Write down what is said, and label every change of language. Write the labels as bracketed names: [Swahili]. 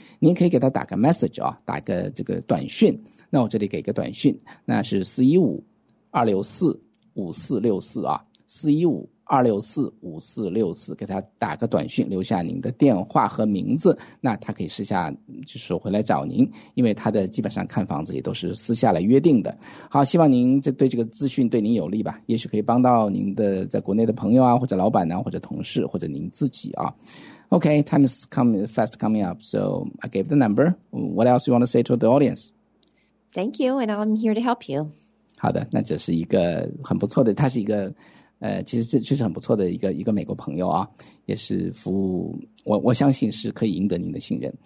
[Chinese] 您可以给他打个 message 啊，打个这个短讯。那我这里给个短讯，那是415-264-5464啊，415-264-5464，给他打个短讯，留下您的电话和名字，那他可以试下就是回来找您，因为他的基本上看房子也都是私下来约定的。好，希望您这对这个资讯对您有利吧，也许可以帮到您的在国内的朋友啊，或者老板啊，或者同事，或者您自己啊。 [English] OK, time is fast coming up, so I gave the number. What else you want to say to the audience? Thank you, and I'm here to help you. [Chinese] 好的，那这是一个很不错的，他是一个其实这确实很不错的一个美国朋友啊，也是服务我相信是可以赢得您的信任。